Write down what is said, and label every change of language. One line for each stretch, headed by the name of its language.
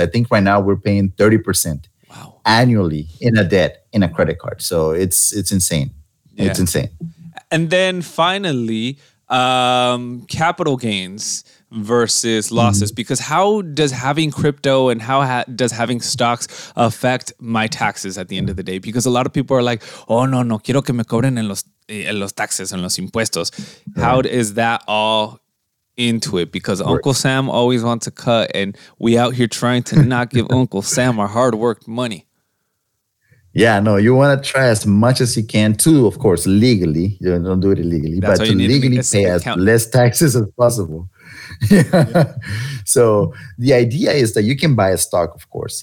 English: I think right now we're paying 30% annually in a debt in a credit card. So it's insane. Yeah. It's insane. And then finally, capital gains versus losses. Mm-hmm. Because how does having crypto and how does having stocks affect my taxes at the end of the day? Because a lot of people are like, oh, no,
Spanish: quiero que me cobren en los taxes, en los impuestos.
English: Right. How is that all into it? Because Uncle Sam always wants a cut and we out here trying to not give Uncle Sam our hard-worked money. Yeah, no, you want to try as much as you can to, of course, legally. You don't do it illegally. That's but to legally to pay as less taxes as possible. So the idea is that you can buy a stock, of course.